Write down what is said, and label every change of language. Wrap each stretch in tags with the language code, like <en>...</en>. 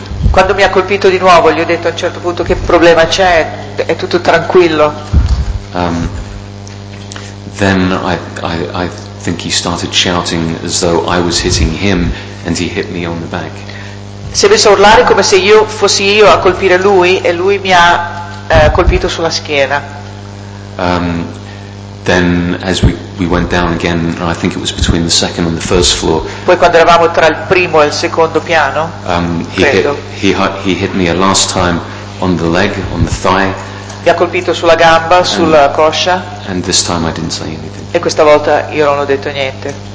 <it>Quando mi ha colpito di nuovo, gli ho detto a un certo punto, "Che problema c'è? È tutto tranquillo."</it> <en>Then I think he started shouting as though I was hitting him, and he hit me on the back.</en> <it>Si è messo a urlare come se io fossi io a colpire lui, e lui mi ha colpito sulla schiena.</it> <en>Then as we went down again, I think it was between the second and the first floor.</en> <it>Poi quando eravamo tra il primo e il secondo piano,</it> <en>he hit me a last time on the leg, on the thigh.</en> <it>Mi ha colpito sulla gamba, sulla coscia.</it> <en>And this time I didn't say anything.</en> <it>E questa volta io non ho detto niente.</it>